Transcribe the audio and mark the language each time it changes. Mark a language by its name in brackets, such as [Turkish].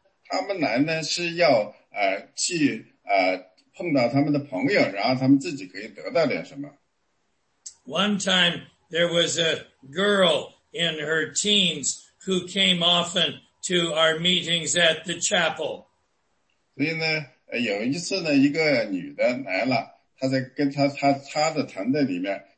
[Chinese] 他们难呢是要去碰到他们的朋友，然后他们自己可以得到点什么。 [English] One time there was a girl in her teens who came often to our meetings at the chapel. [Chinese] 所以呢，有一次呢，一个女的来了，她在跟她的团队里面。